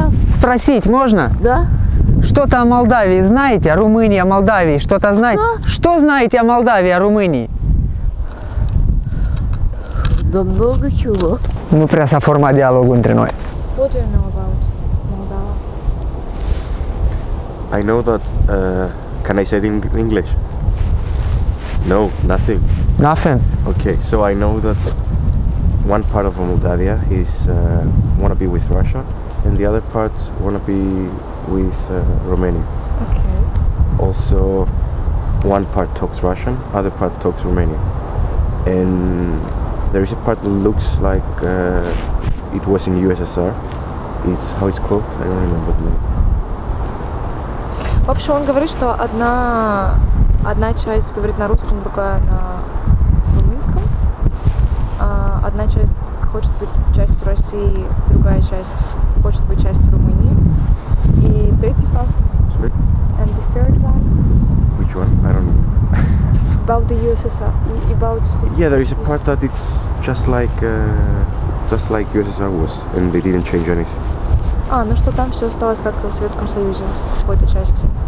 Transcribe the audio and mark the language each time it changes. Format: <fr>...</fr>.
<ru>Спросить можно? Да. Что-то о Молдавии знаете? О Румынии, о Молдавии? Что-то знаете? Да. Что знаете о Молдавии, о Румынии? Да много чего. Мы просто форма диалога между нами.</ru> <en>What do you know about Moldova? I know that... can I say it in English? No, nothing. Nothing? Okay, so I know that one part of Moldavia is wanna be with Russia. And the other part wanna be with Romania. Okay. Also, one part talks Russian, other part talks Romanian. And there is a part that looks like it was in USSR. It's how it's called? I don't remember the name.</en> <ru>В общем, он говорит, что одна часть говорит на русском, другая на румынском. Одна часть хочет быть частью России, другая часть хочет быть частью Румынии. И третий факт.</ru> <en>Sorry? And the third one. Which one? I don't know. About the USSR. About. Yeah, there is a part that it's just like USSR was, and they didn't change anything.</en> <ru>А, ну что там все осталось как в Советском Союзе в этой части.</ru>